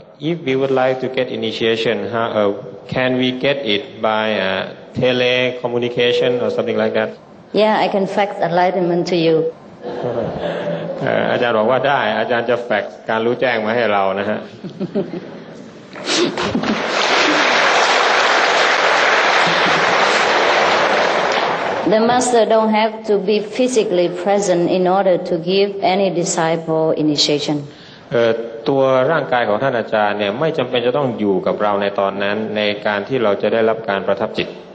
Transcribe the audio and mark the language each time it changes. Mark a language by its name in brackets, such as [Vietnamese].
[English] If we would like to get initiation, can we get it by telecommunication or something like that? Yeah, I can fax enlightenment to you. [Thai] อาจารย์บอกว่าได้อาจารย์จะแฟกซ์การรู้แจ้งมาให้เรานะฮะ [English] The master don't have to be physically present in order to give any disciple initiation. [Thai] ตัวร่างกายของท่านอาจารย์เนี่ยไม่จำเป็นจะต้องอยู่กับเราในตอนนั้นในการที่เราจะได้รับการประทับจิต